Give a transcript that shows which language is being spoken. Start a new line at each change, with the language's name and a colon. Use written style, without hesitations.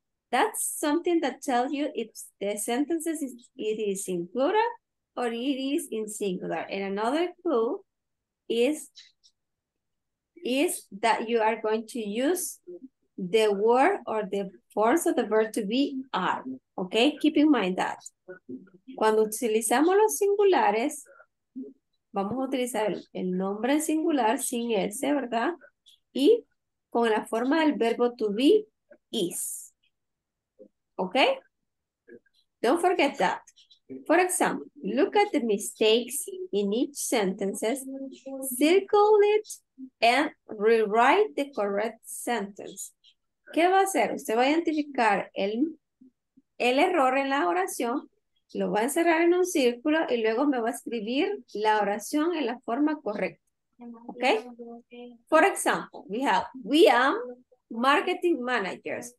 English: That's something that tells you if the sentence it is in plural or it is in singular. And another clue is that you are going to use the word or the forms of the verb to be are. Okay, keep in mind that.
Spanish: Cuando utilizamos los singulares, vamos a utilizar el nombre singular sin S, ¿verdad? Y con la forma del verbo to be, is. Okay?
English: Don't forget that. For example, look at the mistakes in each sentence, circle it, and rewrite the correct sentence.
Spanish: ¿Qué va a hacer? Usted va a identificar el error en la oración, lo va a encerrar en un círculo, y luego me va a escribir la oración en la forma correcta.
English: Okay? For example, we have, we are marketing managers.